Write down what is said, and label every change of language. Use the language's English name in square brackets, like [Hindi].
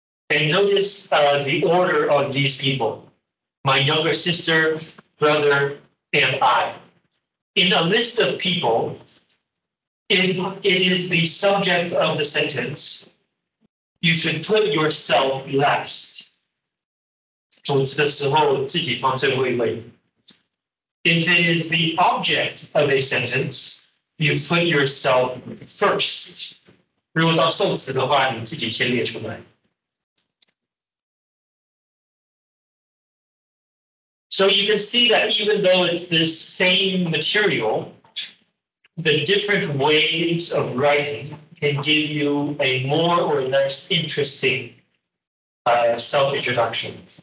[English] And notice the order of these people. My younger sister, brother, and I. In a list of people, if it is the subject of the sentence, you should put yourself last. [Chinese] 总之的时候自己放最后一位. [English] If it is the object of a sentence, you put yourself first. [Chinese] 如果到受词的话，你自己先列出来. [English] So you can see that even though it's the same material, the different ways of writing can give you a more or less interesting self-introduction.